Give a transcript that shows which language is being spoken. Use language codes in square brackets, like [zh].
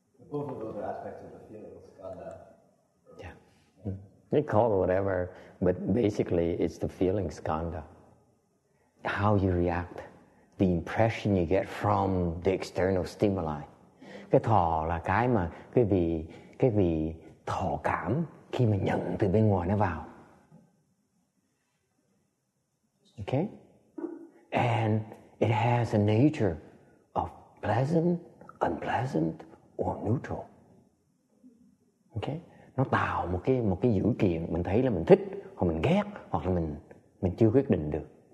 [en] Both of those are aspects of the feelings, Ganda. They call it whatever, but basically it's the feeling skanda. How you react, the impression you get from the external stimuli. [vi] Cái thọ là cái mà cái vị thọ cảm khi mà nhận từ bên ngoài nó vào. [en] Okay? And it has a nature of pleasant, unpleasant, or neutral. Okay? [vi] Nó tạo một cái dữ kiện mình thấy là mình thích hoặc mình ghét hoặc là mình chưa quyết định được.